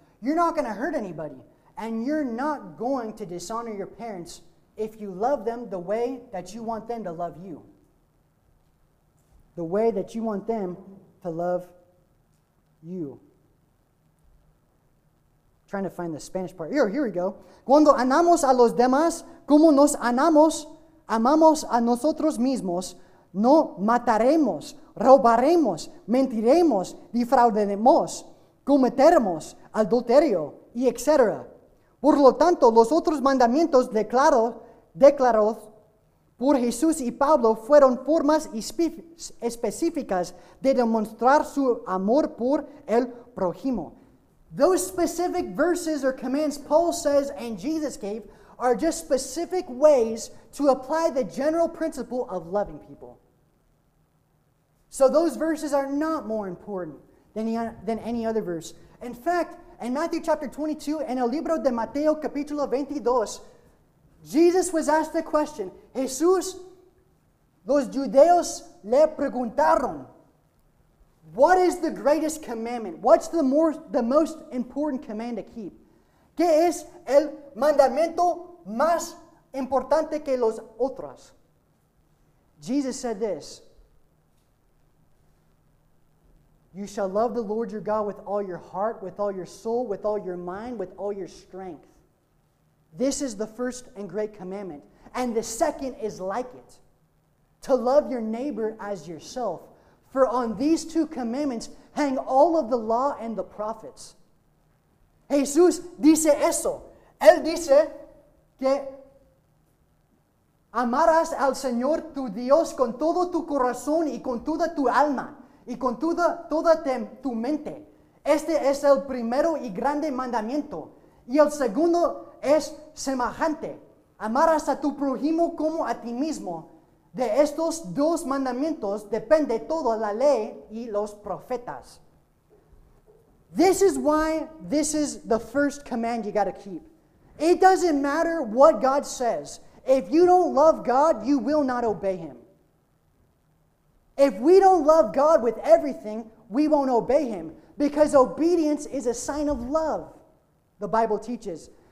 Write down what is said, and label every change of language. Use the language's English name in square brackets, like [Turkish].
[English] You're not going to hurt anybody. And you're not going to dishonor your parents if you love them the way that you want them to love you. The way that you want them to love you. Trying to find the Spanish part. Here we go. [Spanish] Cuando amamos a los demás, como nos amamos a nosotros mismos, no mataremos, robaremos, mentiremos, defraudaremos, cometeremos adulterio, y etc. Por lo tanto, los otros mandamientos declarados por Jesús y Pablo fueron formas específicas de demostrar su amor por el prójimo. [English] Those specific verses or commands Paul says and Jesus gave are just specific ways to apply the general principle of loving people. So those verses are not more important than any other verse. In fact, in Matthew chapter 22, [Spanish] en el libro de Mateo capítulo 22, [English] Jesus was asked the question, [Spanish] Jesús, los judeos le preguntaron, [English] What is the greatest commandment? What's the most important command to keep? [Spanish] ¿Qué es el mandamiento más importante que los otros? [English] Jesus said this. You shall love the Lord your God with all your heart, with all your soul, with all your mind, with all your strength. This is the first and great commandment. And the second is like it. To love your neighbor as yourself. For on these two commandments hang all of the law and the prophets. [Spanish] Jesús dice eso. Él dice que amarás al Señor tu Dios con todo tu corazón y con toda tu alma y con toda tu mente. Este es el primero y grande mandamiento. Y el segundo es semejante. Amarás a tu prójimo como a ti mismo. De estos dos mandamientos depende toda la ley y los profetas. [English] This is why this is the first command you got to keep. It doesn't matter what God says. If you don't love God, you will not obey Him. If we don't love God with everything, we won't obey Him. Because obedience is a sign of love, the Bible teaches.